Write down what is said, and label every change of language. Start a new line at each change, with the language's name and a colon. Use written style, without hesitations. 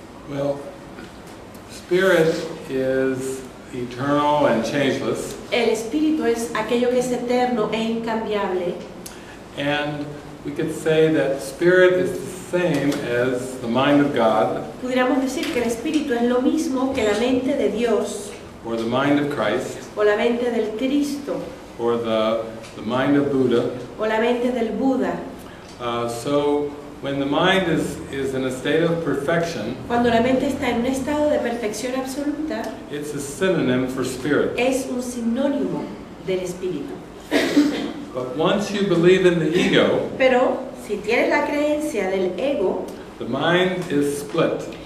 English: Well, spirit is eternal and changeless.
Spanish: El espíritu es aquello que es eterno e incambiable.
English: And we could say that spirit is the same as the mind of God.
Spanish: Pudiéramos decir que el espíritu es lo mismo que la mente de Dios.
English: Or the mind of Christ.
Spanish: O la mente del Cristo.
English: Or the mind of Buddha.
Spanish: O la mente del Buda.
English: So when the mind is in a state of perfection,
Spanish: cuando la mente está en un estado de perfección absoluta,
English: it's a synonym for spirit.
Spanish: Es un sinónimo del espíritu.
English: But once you believe in the ego,
Spanish: pero si tienes la creencia del ego,
English: the mind is split.